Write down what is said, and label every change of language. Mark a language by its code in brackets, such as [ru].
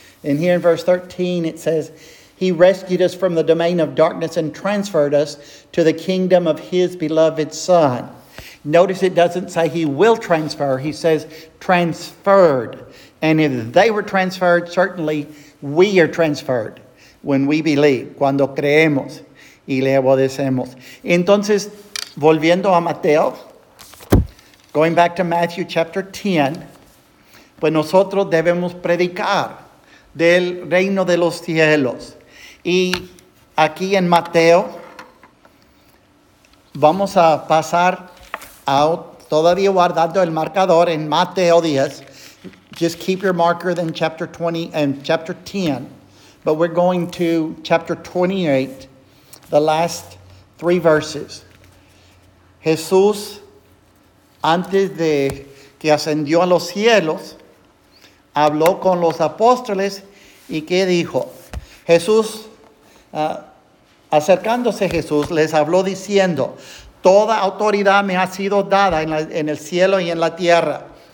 [en] And here in verse 13 it says, He rescued us from the domain of darkness and transferred us to the kingdom of his beloved Son. Notice it doesn't say he will transfer. He says transferred. And if they were transferred, certainly we are transferred when we believe, [es] cuando creemos y le obedecemos. Entonces, volviendo a Mateo, [en] going back to Matthew chapter 10, [es] pues nosotros debemos predicar del reino de los cielos. Y aquí en Mateo, vamos a pasar a, todavía guardando el marcador en Mateo 10. [en] Just keep your marker in chapter 20 and chapter 10. But we're going to chapter 28, the last three verses. [es] Jesús, antes de que ascendió a los cielos, habló con los apóstoles y ¿qué dijo? Jesús, acercándose Jesús, les habló diciendo, Toda autoridad me ha sido dada en el cielo y en la tierra.